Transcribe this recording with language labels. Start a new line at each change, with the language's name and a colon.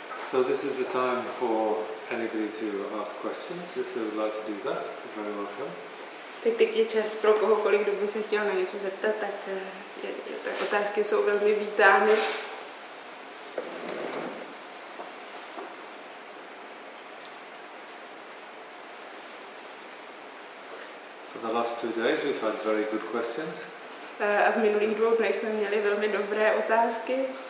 English: So this is the time for anybody to ask questions, if they would like to do that, you're very welcome.
Czech: Teď je čas pro kohokoliv, kdo by se chtěl na něco zeptat, tak tak otázky jsou velmi vítány.
English: For the last 2 days we've had very good questions.
Czech: A v minulých dvou dnech jsme měli velmi dobré otázky.